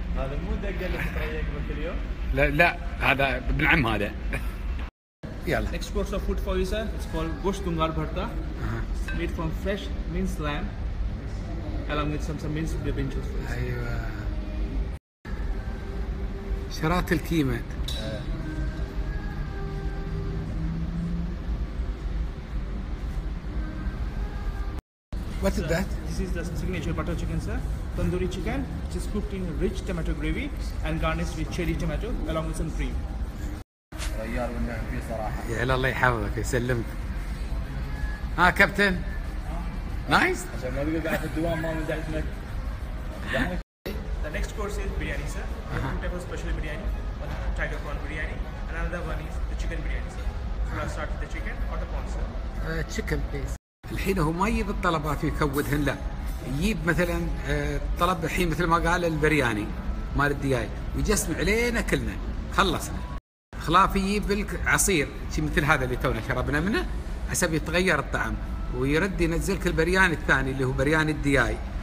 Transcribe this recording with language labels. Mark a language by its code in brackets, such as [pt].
[ar] هذا مو دقه اللي تريق كل يوم لا هذا ابن عم هذا يلا [en] next course of food for you sir it's called gosht dungar bharta made from fresh minced lamb along with some minced beans [ar] ايوه شرات الكيمه [en] What sir, is that? This is the signature butter chicken, sir. Tandoori chicken, which is cooked in rich tomato gravy and garnished with cherry tomato along with some cream. [ar] ريار والنعم فيه صراحة. يا هلا الله يحفظك يسلمك. ها كابتن. نايس. عشان ما بقى بعد الدوام ما مدعت لك. [en] The next course is biryani, sir. Two types of special biryani. One tiger prawn biryani. Another one is the chicken biryani, sir. So we'll start with the chicken or the prawn, sir. Chicken, please. [ar] الحين هو ما يجيب الطلبات يكودهن لا يجيب مثلا طلب الحين مثل ما قال البرياني مال الدياي ويجسم علينا كلنا خلصنا خلافي يجيب العصير شي مثل هذا اللي تونا شربنا منه حسب يتغير الطعم ويرد ينزلك البرياني الثاني اللي هو برياني الدياي